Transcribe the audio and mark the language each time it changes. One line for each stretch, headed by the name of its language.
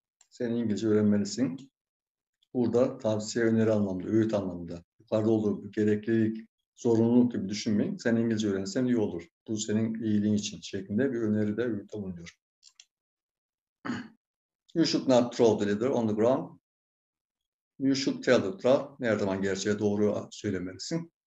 Turkish: Sen İngilizce öğrenmelisin. Burada tavsiye, öneri anlamında, öğüt anlamında. Yukarıda olduğu gibi gereklilik, zorunluluk gibi düşünmeyin. Sen İngilizce öğrensen iyi olur. Bu senin iyiliğin için şeklinde bir öneri de öğütte bulunuyor.
English: You should not throw the letter on the ground. You should tell the truth.
Turkish: Ne zaman gerçeğe doğru söylemelisin.